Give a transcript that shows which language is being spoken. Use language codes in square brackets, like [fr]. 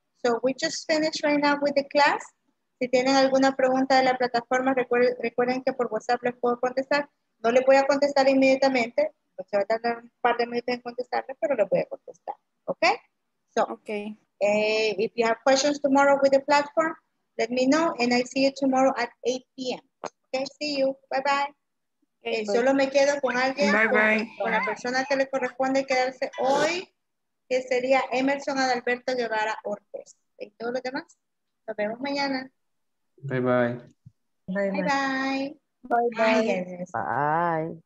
[en] So we just finished right now with the class. [es] Si tienen alguna pregunta de la plataforma, recuerden que por WhatsApp les puedo contestar. No le voy a contestar inmediatamente, pues se va a tardar un par de minutos en contestarle, pero le voy a contestar. [en] ¿Ok? So, okay. If you have questions tomorrow with the platform, let me know and I see you tomorrow at 8 p.m. Okay, see you. Bye bye. Okay, [es] solo me quedo con alguien. [en] Bye bye. [es] Con la persona que le corresponde quedarse hoy, que sería Emerson Adalberto Guevara Ortiz. ¿Y todos los demás? Nos vemos mañana. [en] Bye bye. Bye bye. Bye bye. Bye. Bye. Bye.